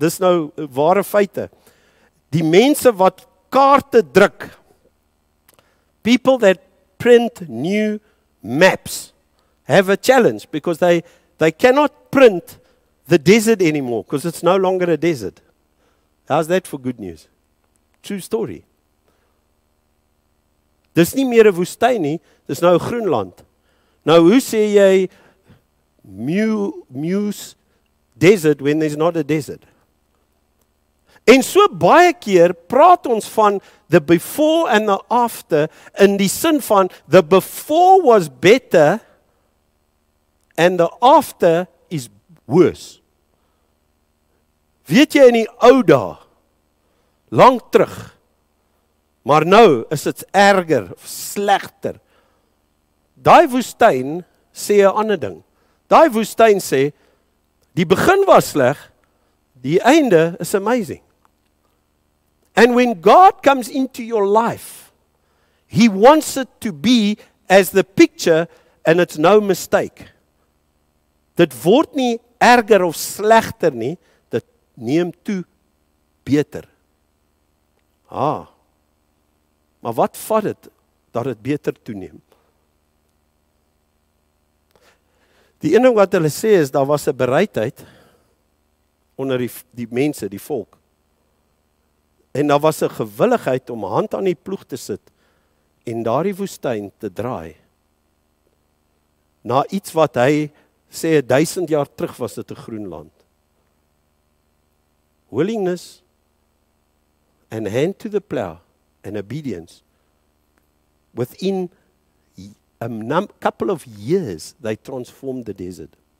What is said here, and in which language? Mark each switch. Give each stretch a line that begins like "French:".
Afrikaans: Dis nou ware feite. Die mense wat kaarte druk.
English: People that print new maps have a challenge because they cannot print the desert anymore because it's no longer a desert. How's that for good news? True story.
Afrikaans: Dis nie meer 'n woestyn nie, dis nou Groenland. Nou hoe sê jy muse desert
English: when there's not a desert?
Afrikaans: En so baie keer praat ons van
English: the before and the after
Afrikaans: in die sin van
English: the before was better and the after is worse.
Afrikaans: Weet jy in die ou dae lank terug, maar nou is dit erger, slegter. Daai woestyn sê 'n ander ding. Daai woestyn sê die begin was sleg, die einde is amazing.
English: And when God comes into your life, He wants it to be as the picture and it's no mistake.
Afrikaans: Dit word nie erger of slegter nie, dit neem toe beter. Ah, maar wat vat het, dat het beter toeneem? Die ene wat hulle sê is, daar was 'n bereidheid onder die mense, die volk. En daar was 'n gewilligheid om hand aan die ploeg te sit en daardie woestyn te draai. Na iets wat hy sê 1000 jaar terug was dit 'n Groenland.
English: Willingness and hand to the plow and obedience. Within a couple of years they transformed the desert.